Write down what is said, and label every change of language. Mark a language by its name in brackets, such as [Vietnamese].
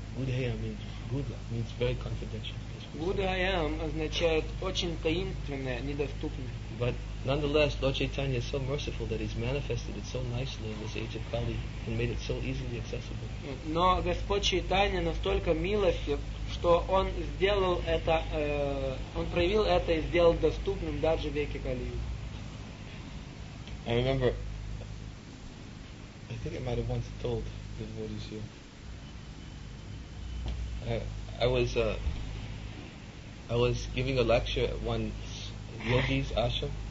[English] Gudheyam means good, means very confidential. [Russian] Gudheyam означает очень таинственное, недоступное. [English] But nonetheless, Lord Chaitanya is so merciful that He's manifested it so nicely in this age of Kali and made it so easily accessible. [Russian] Но Господь Чайтанья настолько милостив, что Он сделал это, Он проявил это и сделал доступным даже веке Кали. [English] I remember, I think I might have once told the devotees here. I was giving a lecture at one yogi's ashram.